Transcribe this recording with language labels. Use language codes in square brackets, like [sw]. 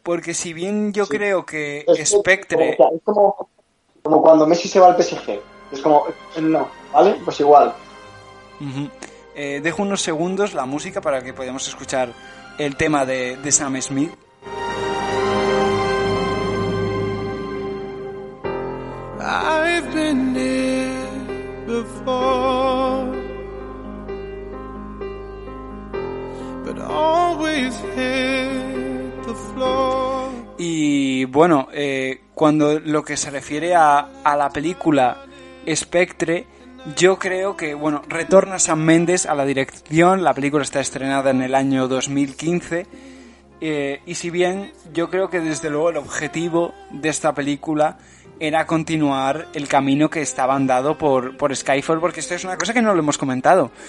[es] Porque si bien yo sí. creo que es Spectre... Es como cuando Messi se va al PSG. Es como, no, ¿vale? Pues igual. Uh-huh. Dejo unos segundos la música para que podamos escuchar el tema de Sam Smith. [en] I've been here before, but always hit the floor. [es] Y bueno, cuando lo que se refiere a la película Spectre, yo creo que, bueno, retorna Sam Mendes a la dirección. La película está estrenada en el año 2015. Y si bien yo creo que desde luego el objetivo de esta película era continuar el camino que estaba andado por Skyfall, porque esto es una cosa que no lo hemos comentado.